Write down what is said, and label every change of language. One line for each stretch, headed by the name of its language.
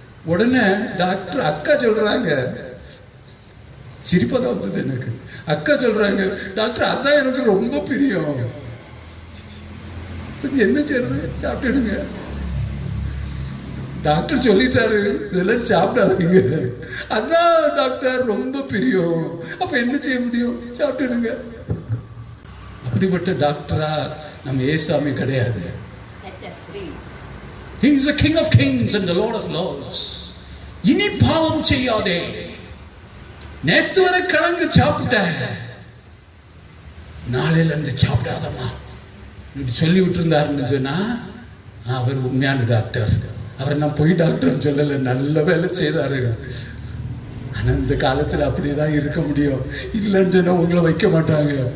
Tamil: உடனே டாக்டர் அக்கா சொல்றாங்க, சிரிப்பா தான் வந்தது எனக்கு, அக்கா சொல்றாங்க டாக்டர் அதான் எனக்கு ரொம்ப பிரியம், என்ன செய்யறது சாப்பிட்டுடுங்க, டாக்டர் சொல்லிட்டாரு இதெல்லாம் சாப்பிடாதீங்க, அதான் டாக்டர் ரொம்ப பிரியம், அப்ப என்ன செய்ய முடியும், சாப்பிட்டுடுங்க. அப்படிப்பட்ட டாக்டரா நம்ம ஏசாமி கிடையாது.
English: He is the King of Kings and the Lord of Lords.
Tamil: இனி பாவம் செய்யாதே. நேற்று வரை கலந்து சாப்பிட்ட, நாளையில இருந்து சாப்பிடாதம்மா என்று சொல்லிவிட்டு இருந்தார்னு சொன்னா, அவர் உண்மையான டாக்டர். அவர் நான் போய் டாக்டர் சொல்லல, நல்ல வேலை செய்தாரு. ஆனா இந்த காலத்துல அப்படியேதான் இருக்க முடியும், இல்லைன்னு சொன்னா உங்களை வைக்க மாட்டாங்க.